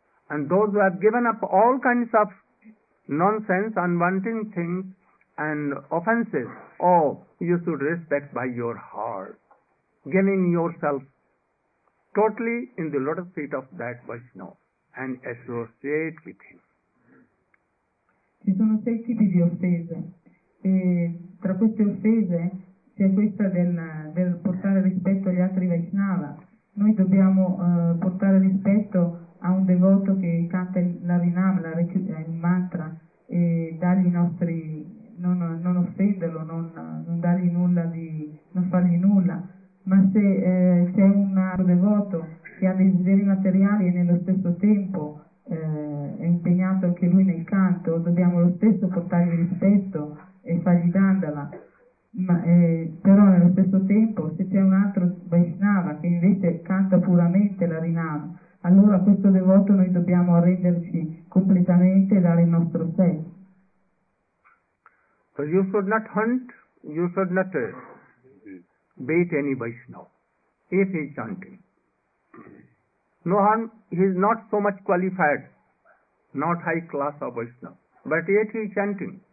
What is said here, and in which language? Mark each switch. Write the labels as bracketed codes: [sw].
[en] And those who have given up all kinds of nonsense, unwanted things and offenses, oh, you should respect by your heart, giving yourself totally in the lotus feet of that Vaishnava and associate with him. [it] Ci sono sei tipi di offese, e tra queste offese c'è questa del portare rispetto agli altri Vaishnava. Noi dobbiamo portare rispetto a un devoto che canta l'Harinam, il mantra, e dargli i nostri, non offenderlo, non dargli nulla, di non fargli nulla. Ma se c'è un devoto che ha desideri materiali e nello stesso tempo è impegnato anche lui nel canto, dobbiamo lo stesso portargli rispetto e fargli dandala. Ma, però nello stesso tempo, se c'è un altro Vaishnava che invece canta puramente la Rinam, allora questo devoto noi dobbiamo arrenderci completamente e dare il nostro sé. [en] So you should not hunt, you should not bait any Vaishnava if he is chanting. No harm, he is not so much qualified, not high class of Vaishnava, but yet he is chanting.